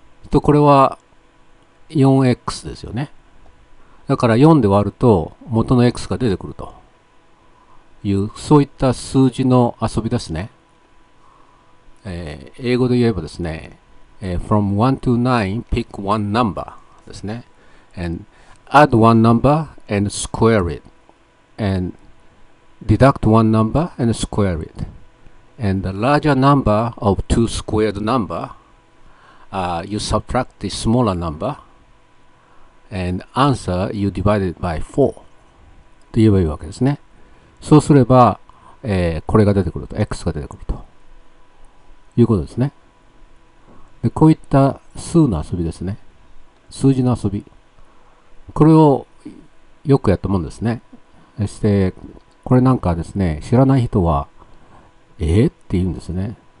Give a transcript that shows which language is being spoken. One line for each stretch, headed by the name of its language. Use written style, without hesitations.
Japanese: と、これは 4x ですよね。だから4で割ると元の x が出てくるという、そういった数字の遊びですね。英語で言えばですね、 from 1 to 9 pick one number ですね。
English: And add one number and square it. And deduct one number and square it. And the larger number of two squared number, you subtract the smaller number. And answer you divide it by 4.
Japanese: と言えばいいわけですね。そうすれば、これが出てくると、x が出てくると。いうことですね。で、こういった数の遊びですね。数字の遊び。これをよくやったもんですね。そして、これなんかですね、知らない人は、って言うんですね。